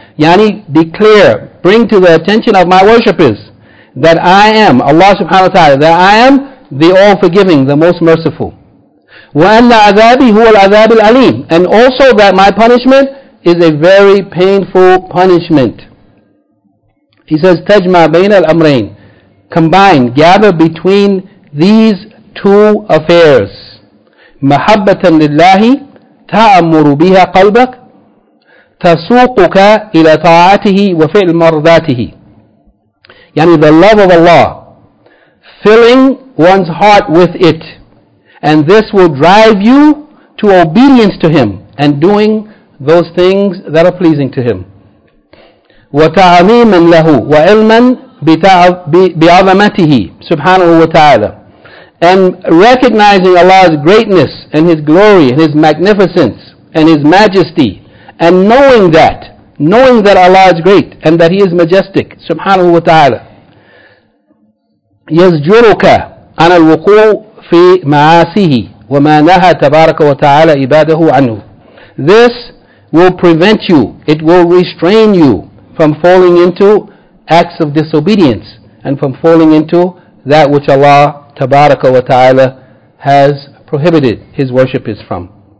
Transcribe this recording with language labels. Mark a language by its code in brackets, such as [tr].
[en] Yani declare, bring to the attention of my worshippers, that I am, Allah subhanahu wa ta'ala, that I am the all-forgiving, the most merciful. [ar] وَأَنَّ عَذَابِي هُوَ الْعَذَابِ الْعَلِيمِ. [en] And also that my punishment is a very painful punishment. He says, [ar] تَجْمَعْ بَيْنَ الْأَمْرَيْنِ. [en] Combine, gather between these two affairs. [ar] مَحَبَّةً لِلَّهِ تَأَمُّرُ بِهَا قَلْبَكَ تَسُوقُكَ إِلَى طَاعَتِهِ وَفِعْلْ مَرْضَاتِهِ. [en] Yani the love of Allah, filling one's heart with it. And this will drive you to obedience to Him and doing those things that are pleasing to Him. [ar] وَتَعْظِيمًا لَهُ وَعِلْمًا بِعَظَمَتِهِ سُبْحَانَهُ وَتَعَالَى. [en] And recognizing Allah's greatness and His glory and His magnificence and His majesty, and knowing that Allah is great and that He is majestic, سُبْحَانَهُ وَتَعَالَى. [ar] يَزْجُرُكَ عَنَ الْوُقُوعِ في معاصيه وَمَا نَهَى تَبَارَكَ وَتَعَالَى عِبَادَهُ عَنْهُ. [en] This will prevent you, it will restrain you from falling into acts of disobedience and from falling into that which Allah Tabaraka wa Ta'ala has prohibited His worship is from.